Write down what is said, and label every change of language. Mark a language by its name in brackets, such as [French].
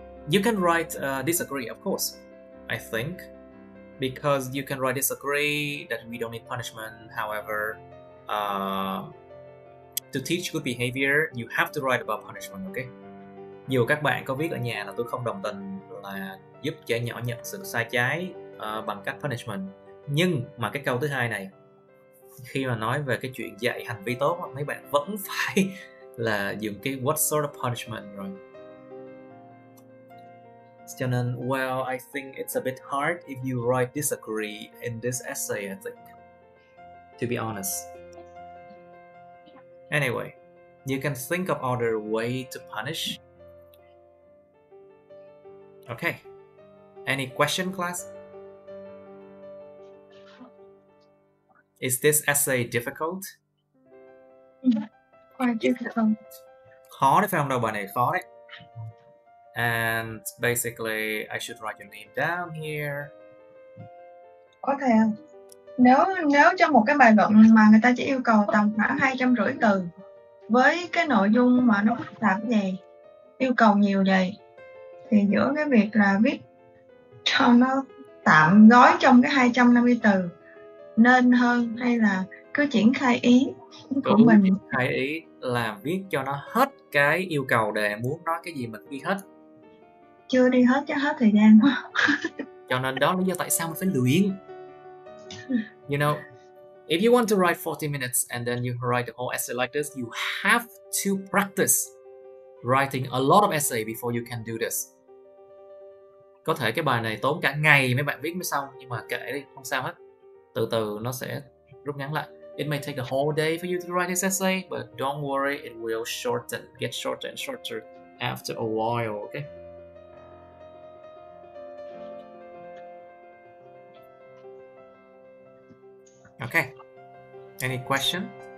[English] You can write disagree, of course, I think, because you can write disagree that we don't need punishment. However, to teach good behavior, you have to write about punishment, okay? [Vietnamese] Nhiều các bạn có viết ở nhà là tôi không đồng tình là giúp trẻ nhỏ nhận sự sai trái bằng cách punishment. Nhưng mà cái câu thứ hai này, khi mà nói về cái chuyện dạy hành vi tốt, mấy bạn vẫn phải là dùng cái [English] what sort of punishment [Vietnamese] rồi. Cho nên, [English] well, I think it's a bit hard if you write disagree in this essay, I think, to be honest. Anyway, you can think of other way to punish. Okay, any question, class? Is this essay difficult? [Vietnamese] Khó đấy, phải không đâu, bài này khó đấy. [English] And basically, I should write your name down here. [Vietnamese] Có thể. Nếu cho một cái bài luận mà người ta chỉ yêu cầu tầm khoảng 250 từ với cái nội dung mà nó phức tạp vậy, yêu cầu nhiều vậy, thì giữa cái việc là viết cho nó tạm gói trong cái 250 từ nên hơn hay là cứ triển khai ý của mình? Triển khai ý là viết cho nó hết cái yêu cầu đề, muốn nói cái gì mình ghi hết. Chưa đi hết cho hết thời gian quá. Cho nên đó là lý do tại sao mình phải luyện. [English] You know, if you want to write 40 minutes and then you write the whole essay like this, you have to practice writing a lot of essay before you can do this. [Vietnamese] Có thể cái bài này tốn cả ngày mấy bạn viết mới xong, nhưng mà kệ đi, không sao hết. Từ từ nó sẽ rút ngắn lại. [English] It may take a whole day for you to write this essay, but don't worry, it will shorten, get shorter and shorter after a while, okay? Okay, any question?